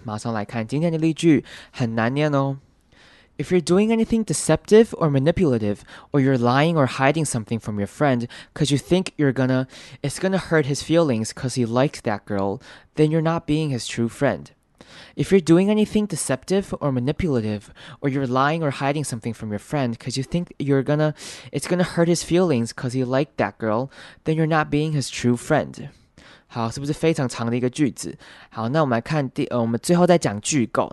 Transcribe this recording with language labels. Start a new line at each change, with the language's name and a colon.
Chinese: 马上来看今天的例句，很难念哦。
English: If you're doing anything deceptive or manipulative, or you're lying or hiding something from your friend because you think it's gonna hurt his feelings because he liked that girl, then you're not being his true friend. If you're doing anything deceptive or manipulative, or you're lying or hiding something from your friend because you think it's gonna hurt his feelings because he liked that girl, then you're not being his true friend.
Chinese: 好，是不是非常长的一个句子？好，那我们来看我们最后再讲句构。